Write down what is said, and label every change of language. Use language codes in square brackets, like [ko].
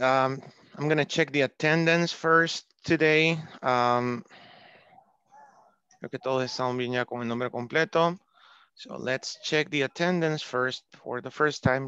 [en] I'm going to check the attendance first today. [es] Creo que todos están bien ya con el nombre completo. [en] So let's check the attendance first for the first time.